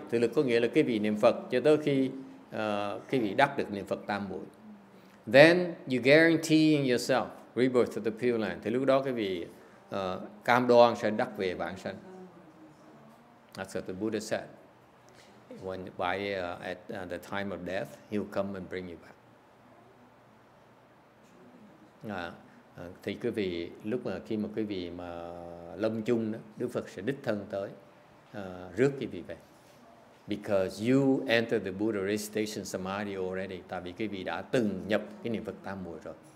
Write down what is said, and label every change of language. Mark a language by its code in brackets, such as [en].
[vi] Tự lực có nghĩa là cái vị niệm Phật cho tới khi cái vị đắc được niệm Phật tam muội. [en] then you guarantee yourself rebirth to the Pure Land. [vi] Thì lúc đó cái vị cam đoan sẽ đắc về vãng sanh. [en] That's what the Buddha said. When by at the time of death, he'll come and bring you back. [vi] Thì quý vị lúc mà khi mà quý vị mà lâm chung đó, Đức Phật sẽ đích thân tới rước quý vị về. [en] Because you entered the Buddha Recitation Samadhi already, [vi] tại vì quý vị đã từng nhập cái niệm Phật Tam Muội rồi.